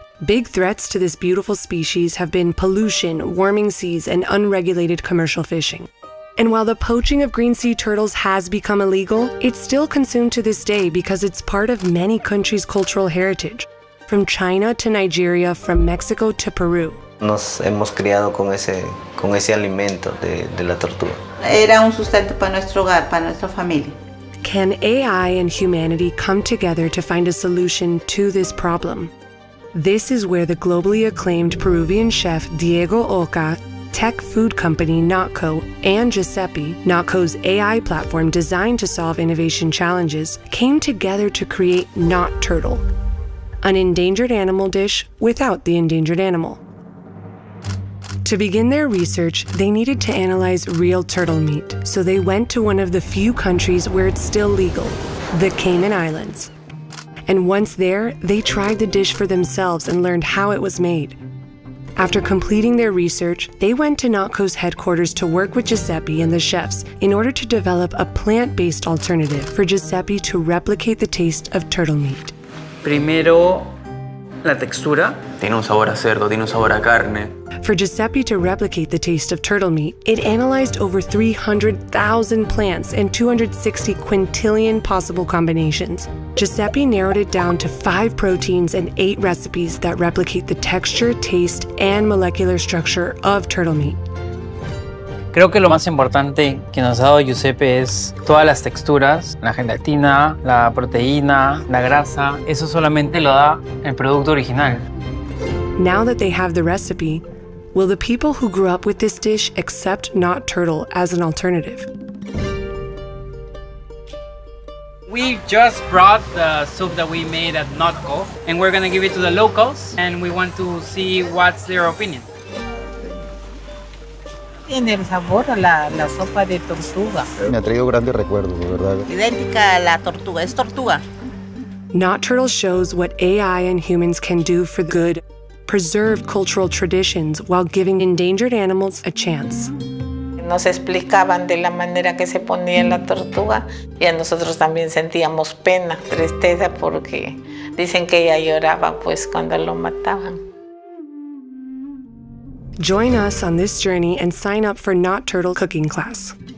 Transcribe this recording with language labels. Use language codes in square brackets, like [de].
[en] Big threats to this beautiful species have been pollution, warming seas, and unregulated commercial fishing. And while the poaching of green sea turtles has become illegal, it's still consumed to this day because it's part of many countries' cultural heritage, from China to Nigeria, from Mexico to Peru. [es] Nos hemos criado con ese alimento de la tortuga. Era un sustento para nuestro hogar, para nuestra familia. [en] Can AI and humanity come together to find a solution to this problem? This is where the globally acclaimed Peruvian chef Diego Oca, tech food company NotCo, and Giuseppe, NotCo's AI platform designed to solve innovation challenges, came together to create NotTurtle, an endangered animal dish without the endangered animal. To begin their research, they needed to analyze real turtle meat, so they went to one of the few countries where it's still legal, the Cayman Islands. And once there, they tried the dish for themselves and learned how it was made. After completing their research, they went to NotCo's headquarters to work with Giuseppe and the chefs in order to develop a plant-based alternative for Giuseppe to replicate the taste of turtle meat. [es] Primero, la textura. Tiene un sabor a cerdo, tiene un sabor a carne. [en] For Giuseppe to replicate the taste of turtle meat, it analyzed over 300,000 plants and 260 quintillion possible combinations. Giuseppe narrowed it down to 5 proteins and 8 recipes that replicate the texture, taste, and molecular structure of turtle meat. [es] Creo que lo más importante que nos ha dado Giuseppe es todas las texturas, la gelatina, la proteína, la grasa. Eso solamente lo da el producto original. [en] Now that they have the recipe, will the people who grew up with this dish accept NotTurtle as an alternative? We just brought the soup that we made at NotCo, and we're gonna give it to the locals, and we want to see what's their opinion. [es] Tiene el sabor a la sopa de tortuga. Me ha traído grandes recuerdos, ¿verdad? Idéntica a la tortuga, es tortuga. [en] NotTurtle shows what AI and humans can do for good. Preserve cultural traditions while giving endangered animals a chance. [es] Nos explicaban de la manera que se ponía la tortuga y a nosotros también sentíamos pena, tristeza, porque dicen que ella lloraba pues cuando lo mataban. [en] Join us on this journey and sign up for NotTurtle cooking class.